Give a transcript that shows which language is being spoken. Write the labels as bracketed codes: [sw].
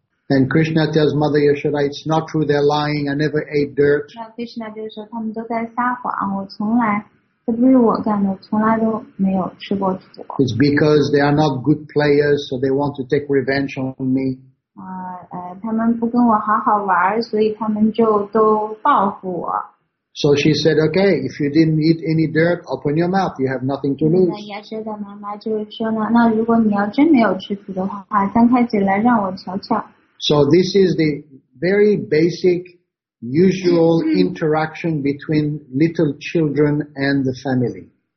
[en] And Krishna tells Mother Yashoda, it's not true, they're lying, I never ate dirt. [zh] 那Krishna就说，他们都在撒谎，我从来。 [en] It's because they are not good players, so they want to take revenge on me. [zh] 他们不跟我好好玩，所以他们就都报复我。 [en] So she said, okay, if you didn't eat any dirt, open your mouth, you have nothing to lose. [zh] 那雅舍的妈妈就说呢，那如果你要真没有吃土的话，张开嘴来让我瞧瞧。 [en] So this is the very basic usual interaction between little children and the family.